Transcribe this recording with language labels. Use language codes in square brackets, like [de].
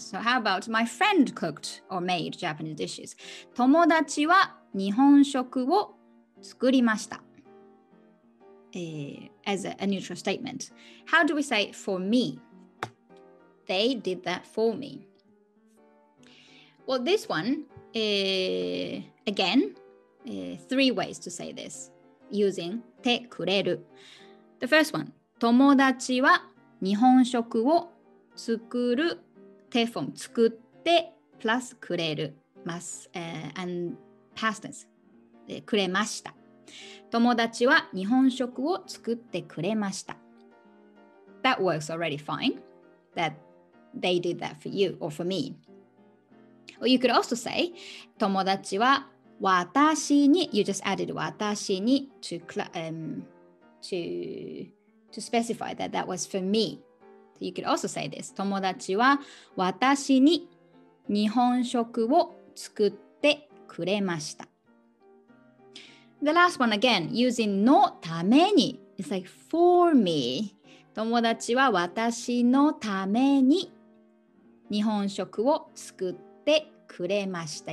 [en] So how about my friend cooked or made Japanese dishes? [ja] 友達は日本食を作りました。 [en] As a neutral statement. How do we say for me? They did that for me. Well, this one, again, three ways to say this using teKURERU. The first one, [ja] 友達は日本食を作る te form, 作って plus [en] くれる, mas, and past tense, くれました。 [ja] 友達は日本食を作ってくれました。 [en] That works already fine. That they did that for you or for me. Or you could also say, [ja] 友達は私に、 [en] you just added 私に to specify that that was for me. So you could also say this. [ja] 友達は私に日本食を作ってくれました。 [en] The last one again, using のために.It's like for me. [ja] 友達は私のために日本食を作ってくれました.